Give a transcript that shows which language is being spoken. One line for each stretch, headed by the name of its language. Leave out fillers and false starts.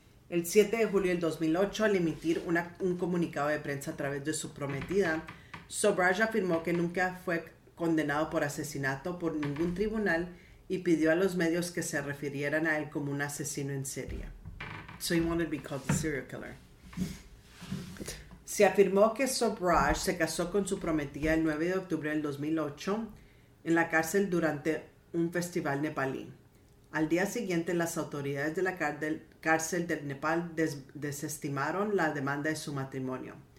Spanish: El 7 de julio del 2008, al emitir un comunicado de prensa a través de su prometida, Sobhraj afirmó que nunca fue condenado por asesinato por ningún tribunal y pidió a los medios que se refirieran a él como un asesino en serie.
English: So he wanted to be called the serial killer.
Spanish: Se afirmó que Sobhraj se casó con su prometida el 9 de octubre del 2008 en la cárcel durante un festival nepalí. Al día siguiente, las autoridades de la cárcel del Nepal desestimaron la demanda de su matrimonio.